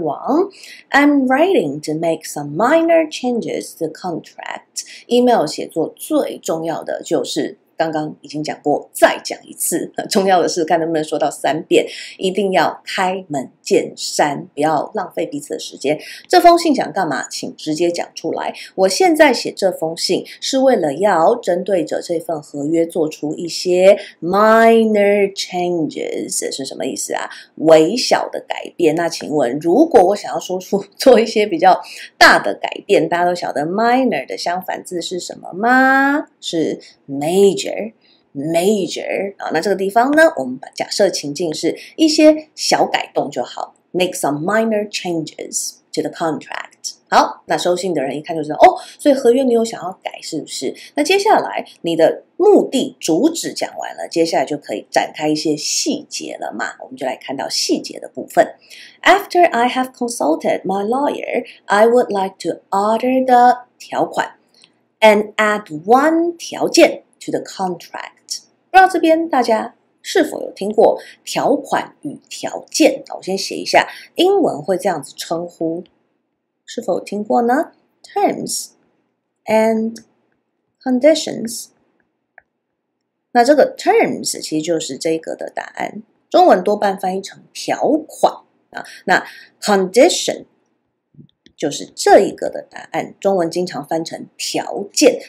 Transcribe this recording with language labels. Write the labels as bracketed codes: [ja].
[en] Wang， I'm writing to make some minor changes to the contract。 [zh] Email 写作最重要的就是刚刚已经讲过，再讲一次，重要的是看能不能说到三遍，一定要开门见山，不要浪费彼此的时间。这封信想干嘛请直接讲出来，我现在写这封信是为了要针对着这份合约做出一些 [en] minor changes， [zh] 是什么意思啊？微小的改变。那请问如果我想要说出做一些比较大的改变，大家都晓得 minor 的相反字是什么吗？是 major， 那这个地方呢，我们把假设情境是一些小改动就好， [en] make some minor changes to the contract。 [zh] 好，那收信的人一看就知道，哦，所以合约你有想要改是不是？那接下来你的目的主旨讲完了，接下来就可以展开一些细节了嘛，我们就来看到细节的部分。 [en] After I have consulted my lawyer, I would like to alter the 条款 and add one 条件to the contract。 [zh] 不知道这边大家是否有听过条款与条件，我先写一下，英文会这样子称呼，是否有听过呢？ [en] Terms and conditions。 [zh] 那这个 terms 其实就是这个的答案，中文多半翻译成条款，那 condition就是这一个的答案，中文经常翻成条件。